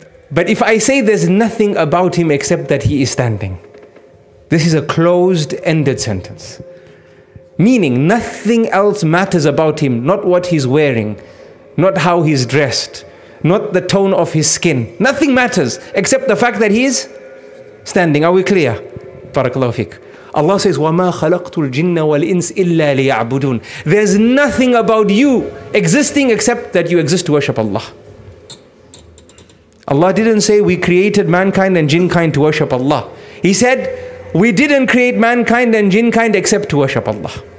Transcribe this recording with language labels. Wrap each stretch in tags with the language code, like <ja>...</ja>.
<en>But if I say there's nothing about him except that he is standing, this is a closed-ended sentence. Meaning nothing else matters about him, not what he's wearing, not how he's dressed, not the tone of his skin. Nothing matters except the fact that he is standing. Are we clear? Barakallahu fik.</en> <ar>Allah says, وَمَا خَلَقْتُ الْجِنَّ وَالْإِنسِ إِلَّا لِيَعْبُدُونَ.</ar> <en>There's nothing about you existing except that you exist to worship Allah. Allah didn't say we created mankind and jinnkind to worship Allah. He said, we didn't create mankind and jinnkind except to worship Allah.</en>